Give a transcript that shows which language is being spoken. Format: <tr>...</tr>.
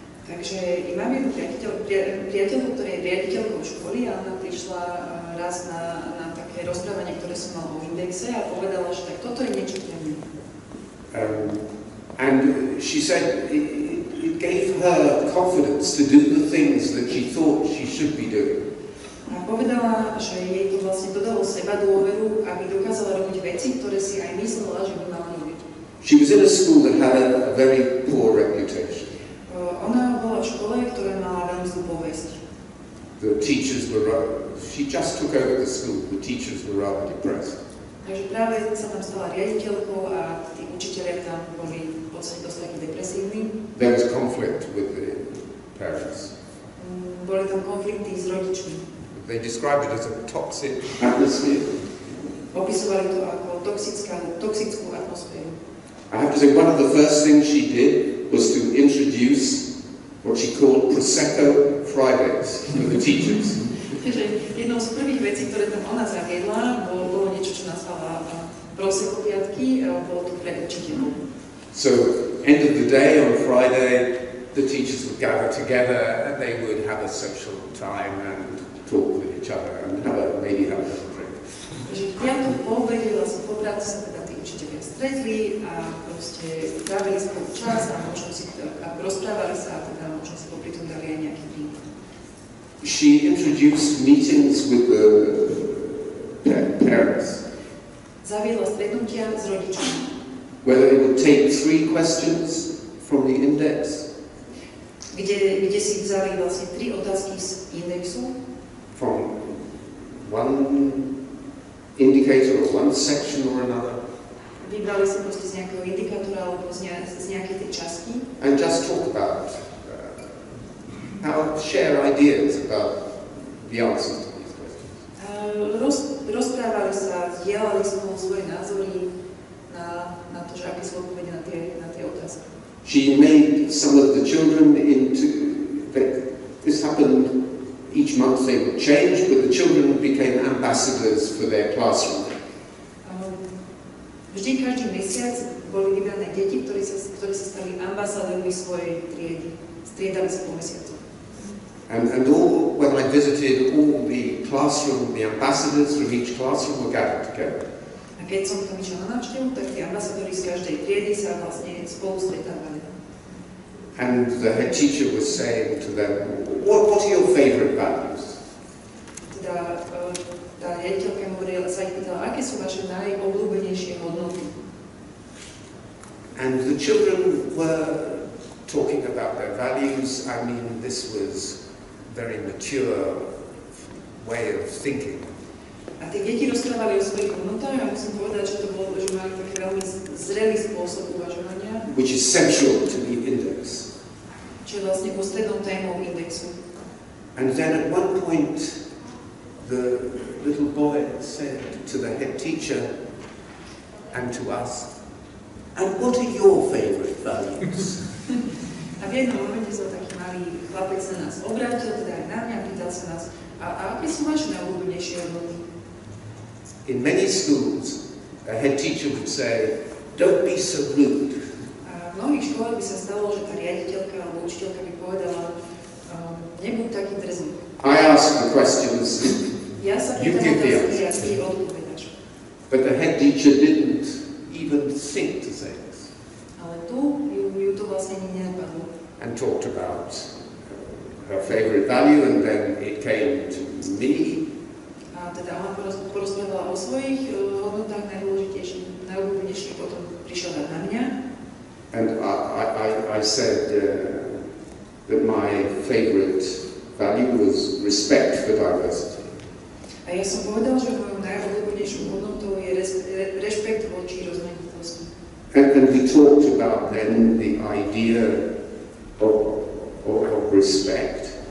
<sk>Takže mám jednu priateľku, ktorá je riaditeľkou školy, a ona prišla raz na také rozprávanie, ktoré som mal o indexe, a povedala, že tak toto je niečo pre mňa.</sk> <en>And she said it gave her confidence to do the things that she thought she should be doing.</en> <sk>A povedala, že jej to vlastne dodalo seba dôveru, aby dokázala robiť veci, ktoré si aj myslela, že by mala robiť.</sk> <en>She was in a school that had a very poor reputation.</en> <sk>Ona bola v škole, ktorá mala veľmi zlú povesť.</sk> <en>The teachers were she just took over the school. The teachers were rather depressed.</en> <sk>Takže práve sa tam stala riaditeľkou a tí učitelia tam boli v podstate dosť takí depresívni.</sk> <en>There was conflict with the parents.</en> <sk>Boli tam konflikty s rodičmi.</sk> <en>They described it as a toxic atmosphere.</en> <sk>Opisovali to ako toxickú atmosféru.</sk> <en>I have to say, one of the first things she did was to introduce what she called Prosecco Fridays to the teachers.</en> <sk>Jednou z prvých vecí, ktoré tam ona zaviedla, bolo niečo, čo nazvala Prosecco piatky, bolo to pre učiteľov.</sk> <en>So, end of the day on Friday, the teachers would gather together and they would have a social time and talk with each other and maybe have a little drink.</en> <sk>Že v piatok po obede vlastne po práci sa teda tí učiteľia stretli a proste trávili spolu čas a možno si rozprávali sa a teda možno si popri tom dali aj nejaký drink.</sk> <en>She introduced meetings with the parents.</en> <sk>Zaviedla stretnutia s rodičmi.</sk> <en>Where they would take three questions from the index.</en> <sk>Kde si vzali vlastne tri otázky z indexu.</sk> <en>From one indicator or one section or another.</en> <sk>Vybrali si proste z nejakého indikátora alebo z nejakej tej časti.</sk> <en>And just talk about how to share ideas about the answers to these questions.</en> <sk>Rozprávali sa, zdieľali spolu svoje názory na to, že aké sú odpovede na tie otázky.</sk> <en>She made some of the children into that this happened each month they would change, but the children became ambassadors for their classroom.</en> <sk>Vždy každý mesiac boli vybrané deti, ktoré sa stali ambasádormi svojej triedy. Striedali sa po mesiacu.</sk> <en>And all, when I visited all the classroom, the ambassadors from each classroom were gathered together.</en> <sk>A keď som tam išiel na návštevu, tak tie ambasádory z každej triedy sa vlastne spolu stretávali.</sk> <en>And the head teacher was saying to them, what are your favorite values?</en> <sk>Tá riaditeľka hovorila, sa ich pýtala, aké sú vaše najobľúbenejšie hodnoty.</sk> <en>And the children were talking about their values. I mean, this was very mature way of thinking.</en> <sk>A tie deti rozprávali o svojich hodnotách a musím povedať, že to bolo, že mali taký veľmi zrelý spôsob uvažovania.</sk> <en>Which is central to the index.</en> <sk>Čo je vlastne ústrednou témou indexu.</sk> <en>And then at one point the little boy said to the head teacher and to us, and what are your favorite values?</en> <sk>A v jednom momente sa taký malý chlapec na nás obrátil, teda aj na mňa, pýtal sa nás, a aké sú vaše najobľúbenejšie hodnoty?</sk> <en>In many schools, a head teacher would say, don't be so rude.</en> <sk>A v mnohých školách by sa stalo, že tá riaditeľka alebo učiteľka by povedala, nebuď taký drzný.</sk> <en>I ask the questions.</en> <sk>Ja sa pýtam otázky, ja si odpovedaš.</sk> <en>But the head teacher didn't even think to say this.</en> <sk>Ale tu ju to vlastne ani nenapadlo.</sk> <en>And talked about her favorite value, and then it came to me.</en> <sk>A teda ona porozprávala o svojich hodnotách najdôležitejších, najobľúbenejších, potom prišiel na mňa.</sk> <en>And I said that my favorite value was respect for diversity.</en> <sk>A ja som povedal, že mojou najobľúbenejšou hodnotou je rešpekt voči rozmanitosti.</sk> <en>And we talked about then the idea of respect.</en>